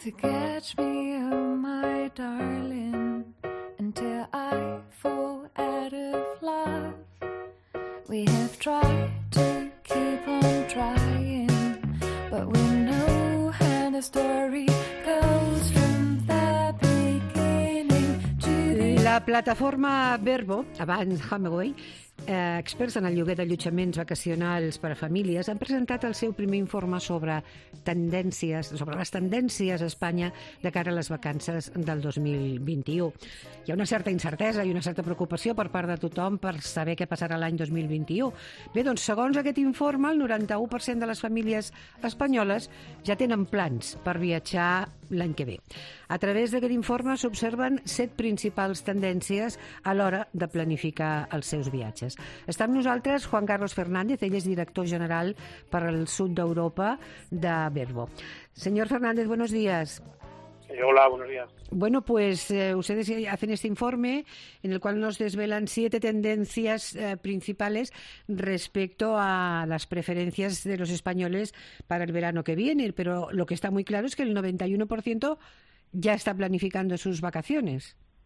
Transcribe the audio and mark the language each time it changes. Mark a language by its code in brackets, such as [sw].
[en] to catch me, my darling, until I fall out of love. We have tried to keep on trying, but we know how the story goes from the beginning to the end. [ca] La plataforma Verbo, abans Hemingway, experts en el lloguer d'allotjaments vacacionals per a famílies, han presentat el seu primer informe sobre les tendències a Espanya de cara a les vacances del 2021. Hi ha una certa incertesa i una certa preocupació per part de tothom per saber què passarà l'any 2021. Bé, doncs, segons aquest informe, el 91% de les famílies espanyoles ja tenen plans per viatjar l'any que ve. A través d'aquest informe s'observen 7 principals tendències a l'hora de planificar els seus viatges. Està amb nosaltres Juan Carlos Fernández, ell és director general per al sud d'Europa de Verbo. [es] Senyor Fernández, buenos días. Hola, buenos días. Bueno, pues ustedes hacen este informe en el cual nos desvelan 7 tendencias principales respecto a las preferencias de los españoles para el verano que viene, pero lo que está muy claro es que el 91% ya está planificando sus vacaciones.